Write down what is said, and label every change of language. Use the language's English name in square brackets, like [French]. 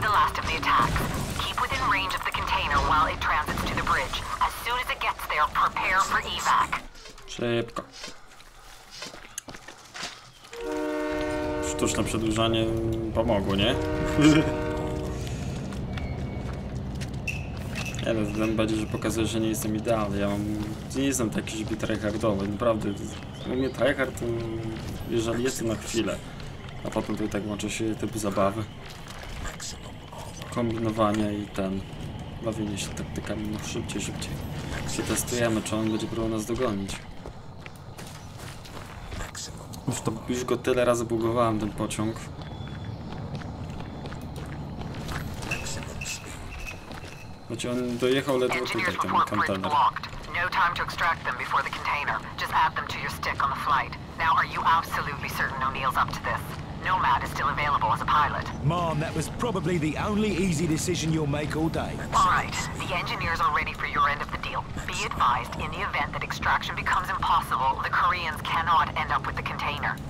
[English] Keep within range of the container while it transits to the bridge. As soon as it gets there, prepare for evac. [Polish] Szybko. Sztuczne przedłużanie pomogło, nie? Nie no, tym bardziej, że pokazuje, że nie jestem idealny. Ja mam... nie jestem taki, żeby tryhardowy. Naprawdę, u mnie tryhard, jeżeli jestem na chwilę. A potem tutaj tak łączy się typu zabawy, kombinowania i ten, bawienie się taktykami, no szybciej, szybciej. Się testujemy, czy on będzie próbował nas dogonić. Już to już go tyle razy bugowałem, ten pociąg. Znaczy on dojechał ledwo tutaj, ten kontener. [English] No time to extract them before the container. Just add them to your stick on the flight. Now are you absolutely certain O'Neill's up to this? Nomad is still available as a pilot. Mom, that was probably the only easy decision you'll make all day. All right, the engineers are ready for your end of the deal. Be advised, in the event that extraction becomes impossible, the Koreans cannot end up with the container.